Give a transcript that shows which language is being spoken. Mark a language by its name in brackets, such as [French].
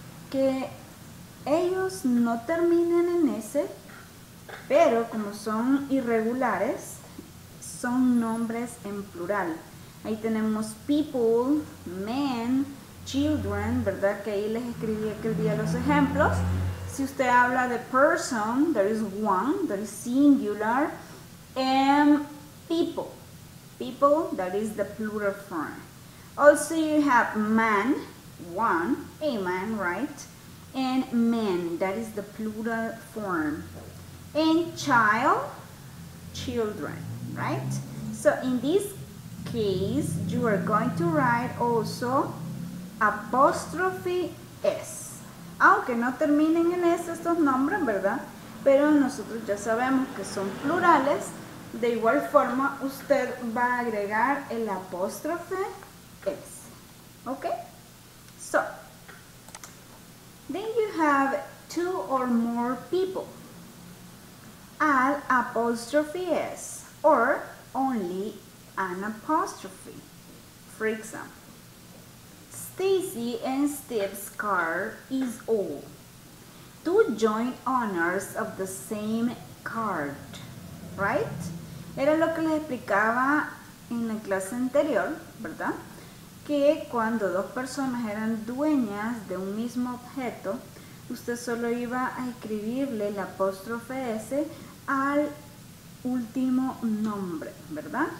[Spanish] Que ellos no terminan en S, pero como son irregulares, son nombres en plural. Ahí tenemos people, men, children, ¿verdad? Que ahí les escribí aquel día los ejemplos. Si usted habla de [English] person, there is one, that is singular, and people. People, that is the plural form. Also, you have man, one, a man, right? And men, that is the plural form. And child, children, right? So, in this case, you are going to write also apostrophe S. [Spanish] Aunque no terminen en S estos nombres, ¿verdad? Pero nosotros ya sabemos que son plurales. De igual forma, usted va a agregar el apóstrofe S. ¿Ok? [English] So, then you have two or more people. Add apostrophe S or only an apostrophe. For example, Stacy and Steve's car is old. Two joint owners of the same card, right? [Spanish] Era lo que les explicaba en la clase anterior, ¿verdad? Que cuando dos personas eran dueñas de un mismo objeto, usted solo iba a escribirle el apóstrofe S al último nombre, ¿verdad?